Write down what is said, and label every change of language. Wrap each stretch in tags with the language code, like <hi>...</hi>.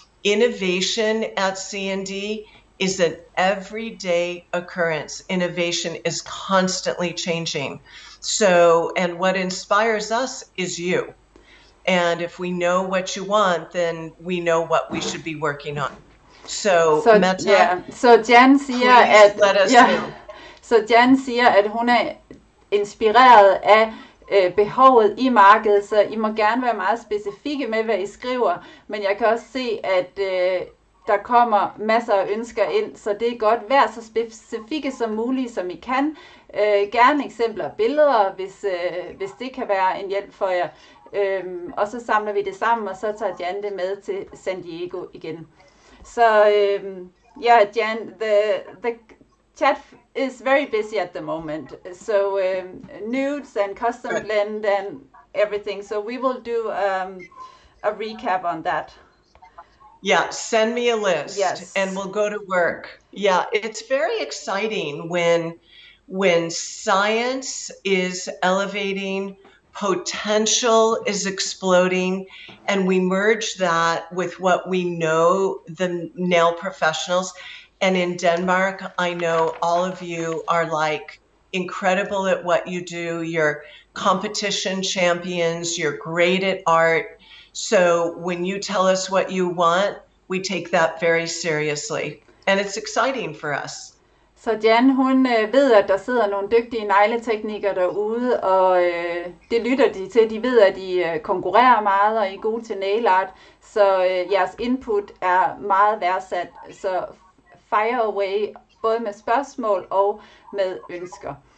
<en>Innovation at CND is an everyday occurrence. Innovation is constantly changing. So, and what inspires us is you. And if we know what you want, then we know what we should be working on. So Mette,</en> <da>yeah. So Jan siger, at,</da> <en>let us yeah. know.</en> <da>Så Jan siger, at hun er inspireret af behovet i markedet, så I må gerne være meget specifikke med, hvad I skriver. Men jeg kan også se, at der kommer masser af ønsker ind, så det er godt. Vær så specifikke som muligt, som I kan. Gerne eksempler og billeder, hvis det kan være en hjælp for jer. Og så samler vi det sammen, og så tager Jan det med til San Diego igen.</da> <en>So, yeah, Jan, the chat is very busy at the moment. So, nudes and custom blend and everything. So we will do a recap on that. Yeah, send me a list. Yes. And we'll go to work. Yeah, it's very exciting when science is elevating, potential is exploding, and we merge that with what we know, the nail professionals. And in Denmark, I know all of you are like incredible at what you do. You're competition champions, you're great at art. So when you tell us what you want, we take that very seriously. And it's exciting for us.</en> <da>Så Jan, hun ved, at der sidder nogle dygtige negleteknikere derude, og det lytter de til. De ved, at I konkurrerer meget, og I er gode til nail art, så jeres input er meget værdsat. Så fire away, både med spørgsmål og med ønsker.</da>